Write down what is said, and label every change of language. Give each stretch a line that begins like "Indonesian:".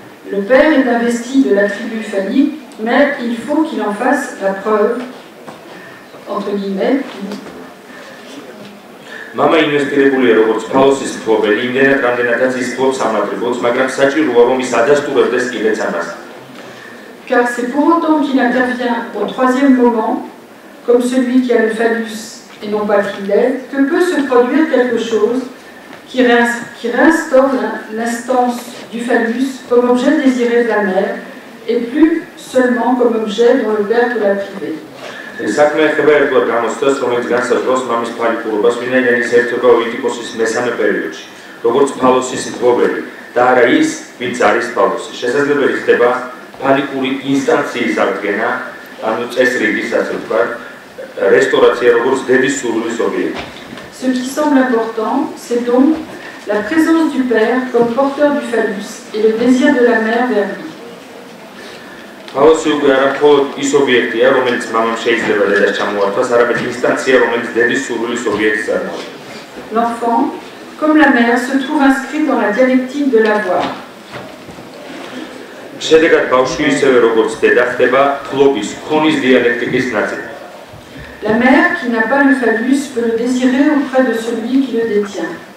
French: Le père est investi de l'attribut phallique, mais il faut qu'il en fasse la preuve, entre guillemets.
Georgian: Mama investirebuli როგორც ფალოსის მფლობელი, იმდენად რამდენადაც ის ფლობს ამ ატრიბუტს, მაგრამ საჭიროა, რომ ის ადასტურებდეს კიდეც ამას.
French: Car c'est pour autant qu'il intervient au troisième moment, comme celui qui a le phallus et non pas le trident, que peut se produire quelque chose qui réinstaure l'instance du phallus comme objet désiré de la mère, et plus seulement comme objet dont le père peut la priver.
Georgian: საქმე ეხება ერთგვარ გამოცდას, რომელიც განსაზღვრავს მამის ფალიკურობას, ვინაიდან ის ერთვება ოიდიპოსის მესამე პერიოდში. როგორც ფალოსის მფლობელი, და არა ის, ვინც არის პავლოსი. შესაძლებელი ხდება ფალიკური ინსტანციის აღდგენა, ანუ წესრიგის ასე ვთქვა, რესტორაცია როგორც დედის სურვილის ობიექტი.
French: Ce qui semble important, c'est donc la présence du père comme porteur du phallus et le désir de la mère vers lui.
Georgian: Ფალოსი უკვე არამხოლოდ ის ობიექტია, რომელიც მამამ შეიძლება დედას ჩამოართვას, არამედ ინსტანცია, რომელიც დედის სურვილის ობიექტს წარმოადგენს.
French: L'enfant, comme la mère, se trouve inscrit dans la dialectique de l'avoir.
Georgian: შედეგად ბავშვი ისევე როგორც დედა ხდება ფლობის, ქონის დიალექტიკის ნაწილი.
French: La mère qui n'a pas le phallus peut le désirer auprès de celui qui le détient.